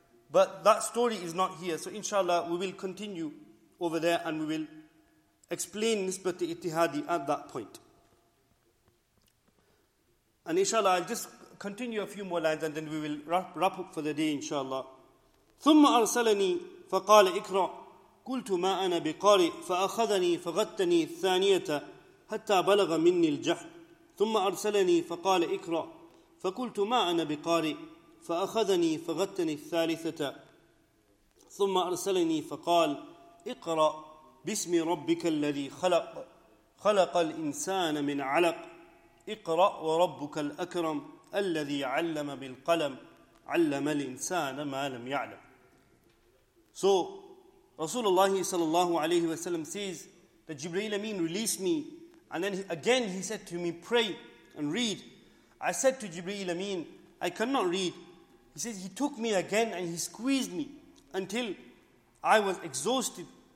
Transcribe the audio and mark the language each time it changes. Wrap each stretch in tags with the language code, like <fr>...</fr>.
<en>But that story is not here. So inshallah, we will continue over there and we will explain nisbati ittihadi at that point. And inshallah, I'll just continue a few more lines and then we will wrap up for the day, inshallah.</en> <ar>ثم أرسلني فقال اقرأ قلت ما أنا بقارئ فأخذني فغتني الثانية حتى بلغ مني الجحن ثم أرسلني فقال اقرأ فقلت ما أنا بقارئ فأخذني فغتني الثالثة ثم أرسلني فقال اقرأ بسم ربك الذي خلق خلق الإنسان من علق اقرأ وربك الأكرم الذي علم بالقلم علم الإنسان ما لم يعلم.</ar> <en>So Rasulullah sallallahu alayhi wa sallam says that Jibreel Amin released me, and then he said to me, pray and read. I said to Jibreel Amin, I cannot read. He says he took me again and he squeezed me until I was exhausted.</en>